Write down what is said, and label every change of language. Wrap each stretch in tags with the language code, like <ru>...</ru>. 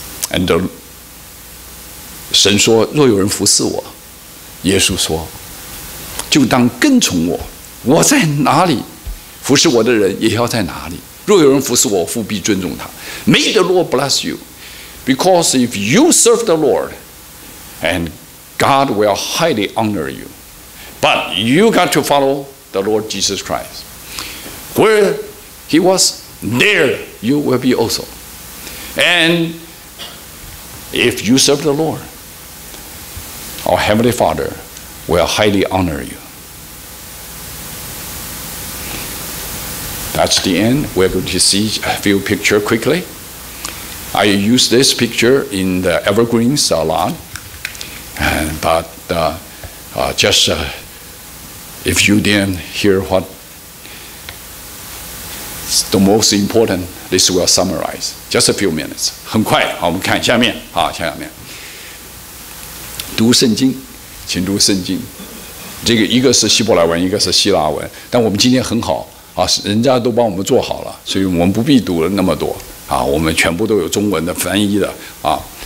<en>And the,</en> <zh>神说若有人服侍我，耶稣说就当跟从我，我在哪里服侍我的人也要在哪里，若有人服侍我，父必尊重他。</zh> <en>May the Lord bless you, because if you serve the Lord and God will highly honor you, but you got to follow the Lord Jesus Christ. Where he was, there you will be also. AndIf you serve the Lord, our Heavenly Father will highly honor you. That's the end. We're going to see a few pictures quickly. I use this picture in the evergreens a lot. But if you didn't hear what's the most important,This will summarize just a few minutes.</en> <zh>很快，好，我们看下面啊，下面读圣经，请读圣经。这个一个是希伯来文，一个是希腊文。但我们今天很好啊，人家都帮我们做好了，所以我们不必读了那么多啊。我们全部都有中文的翻译的啊。</zh>